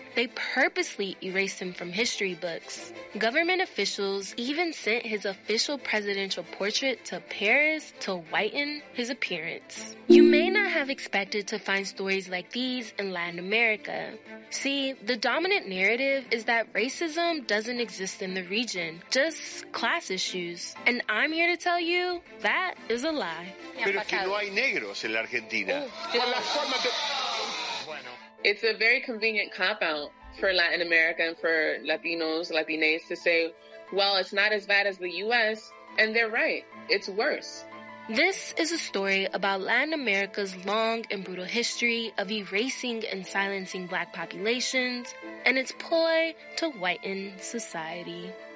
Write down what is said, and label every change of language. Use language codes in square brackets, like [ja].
[en] They purposely erased him from history books. Government officials even sent his official presidential portrait to Paris to whiten his appearance. You may not have expected to find stories like these in Latin America. See, the dominant narrative is that racism doesn't exist in the region, just class issues. And I'm here to tell you, that is a lie. [es] Pero que no hay negros en la Argentina. [en] It's a very convenient cop-out for Latin America and for Latinos, Latines, to say, well, it's not as bad as the U.S., and they're right, it's worse. This is a story about Latin America's long and brutal history of erasing and silencing black populations and its ploy to whiten society.